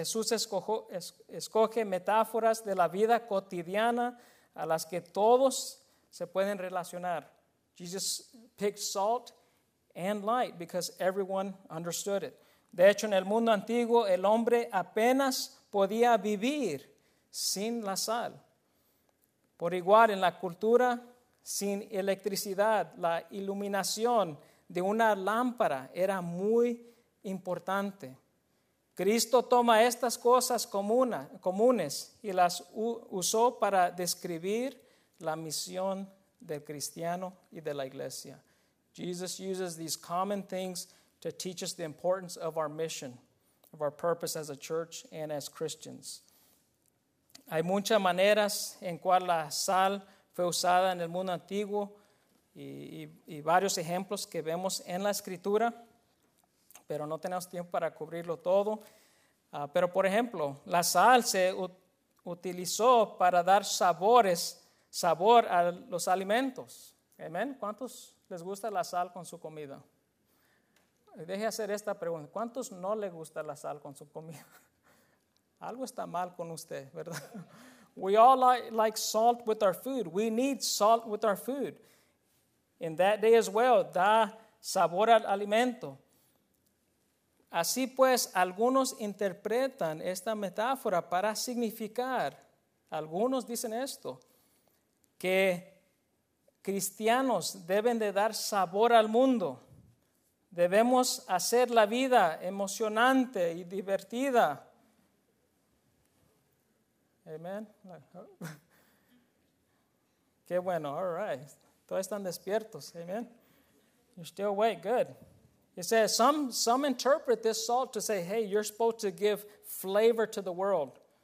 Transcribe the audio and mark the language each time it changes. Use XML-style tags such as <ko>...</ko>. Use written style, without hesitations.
<es>Jesús escoge metáforas de la vida cotidiana a las que todos se pueden relacionar.</es> <en>Jesus picked salt and light because everyone understood it.</en> <es>De hecho, en el mundo antiguo, el hombre apenas podía vivir sin la sal. Por igual, en la cultura, sin electricidad, la iluminación de una lámpara era muy importante. Cristo toma estas cosas comunes y las usó para describir la misión del cristiano y de la iglesia. Jesus uses these common things to teach us the importance of our mission, of our purpose as a church and as Christians. Hay muchas maneras en cual la sal fue usada en el mundo antiguo y varios ejemplos que vemos en la escritura, pero no tenemos tiempo para cubrirlo todo. Pero por ejemplo, la sal se utilizó para dar sabor a los alimentos. ¿Amén? ¿Cuántos les gusta la sal con su comida? Deje hacer esta pregunta. ¿Cuántos no le gusta la sal con su comida? Algo está mal con usted, ¿verdad?</es> <en>We all like salt with our food. We need salt with our food. In that day as well,</en> <es>da sabor al alimento. Así pues, algunos interpretan esta metáfora para significar, algunos dicen esto, que cristianos deben de dar sabor al mundo. Debemos hacer la vida emocionante y divertida. Amen. Qué bueno.</es> <en>All right.</en> <es>Todos están despiertos. Amen.</es> <en>You're still awake. Good. It says some interpret this salt to say, hey, you're supposed to give flavor to the world.</en>